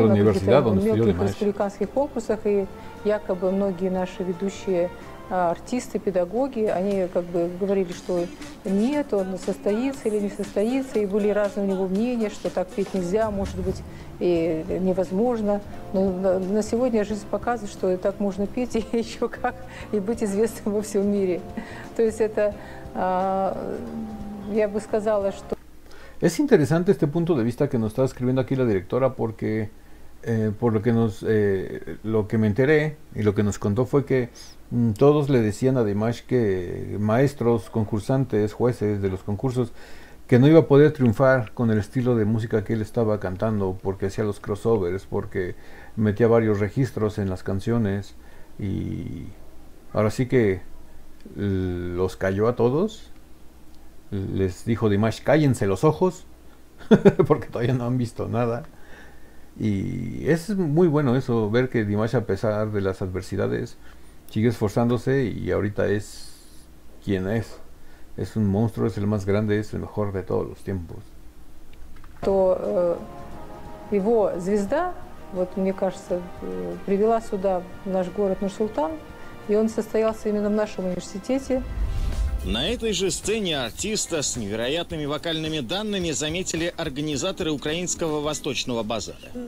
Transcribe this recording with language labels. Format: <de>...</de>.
<ru>на мелких республиканских конкурсах, и якобы многие наши ведущие артисты, педагоги, они как бы говорили, что нет, он состоится или не состоится, и были разные у него мнения, что так петь нельзя, может быть, и невозможно. Но на сегодня жизнь показывает, что так можно петь и еще как, и быть известным во всем мире. То есть это, я бы сказала, что...</ru> <es>Es interesante este punto de vista que nos está escribiendo aquí la directora, porque por lo que me enteré y lo que nos contó fue que todos le decían a Dimash que maestros, concursantes, jueces de los concursos, que no iba a poder triunfar con el estilo de música que él estaba cantando, porque hacía los crossovers, porque metía varios registros en las canciones, y ahora sí que los calló a todos. Les dijo Dimash, cállense los ojos, porque todavía no han visto nada. Y es muy bueno eso, ver que Dimash, a pesar de las adversidades, sigue esforzándose y ahorita es quien es. Es un monstruo, es el más grande, es el mejor de todos los tiempos.</es> <ru>То его звезда, вот мне кажется, привела сюда наш город Нур-Султан, и он состоялся именно в нашем университете. На этой же сцене артиста с невероятными вокальными данными заметили организаторы украинского восточного базара.</ru>